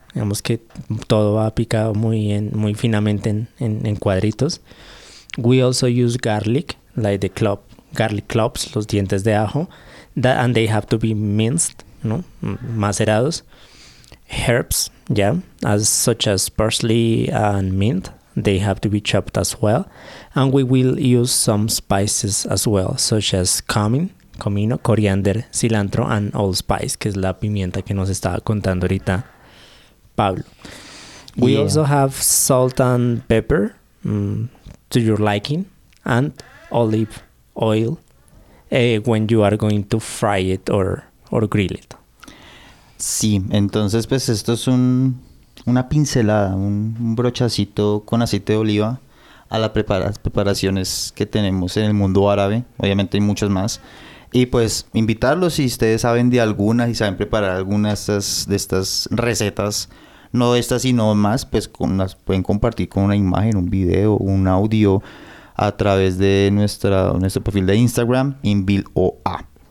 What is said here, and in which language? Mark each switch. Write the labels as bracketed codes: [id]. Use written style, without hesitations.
[es] Digamos que todo va picado muy finamente en cuadritos. [en] We also use garlic, like the clove, garlic cloves, los dientes de ajo, that, and they have to be minced, no, macerados. Herbs, yeah, as such as parsley and mint, they have to be chopped as well, and we will use some spices as well, such as comino, coriander, cilantro, and allspice, que es la pimienta que nos estaba contando ahorita Pablo. We yeah. also have salt and pepper to your liking, and olive oil when you are going to fry it or grill it. [es] Sí, entonces pues esto es una pincelada, un brochacito con aceite de oliva a las preparaciones que tenemos en el mundo árabe. Obviamente hay muchas más. Y pues invitarlos si ustedes saben de algunas y saben preparar algunas de estas recetas, no estas sino más, pues las pueden compartir con una imagen, un video, un audio a través de nuestro perfil de Instagram, InvilOA.